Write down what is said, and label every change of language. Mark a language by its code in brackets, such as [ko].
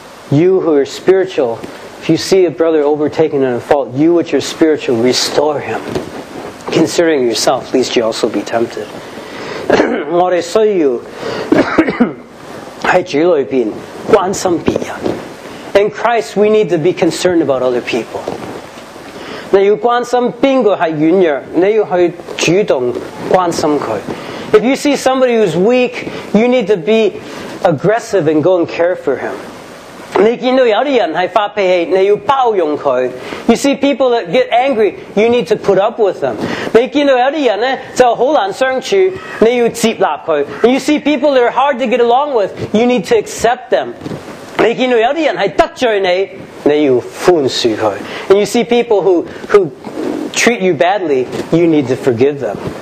[en] You who are spiritual, if you see a brother overtaken in a fault, you which are spiritual, restore him. Considering yourself, lest you also be tempted. [zh] 我们需要在主里边关心别人。 [en] In Christ, we need to be concerned about other people. [zh] 你要关心哪个是软弱，你要去主动关心他。 [en] If you see somebody who's weak, you need to be aggressive and go and care for him. [zh] 你看到有些人是发脾气，你要包容他。 [en] You see people that get angry, you need to put up with them. [zh] 你看到有些人就很难相处，你要接纳他。 [en] You see people that are hard to get along with, you need to accept them. [zh] 你看到有些人是得罪你，你要宽恕他。 [en] And you see people who treat you badly, you need to forgive them.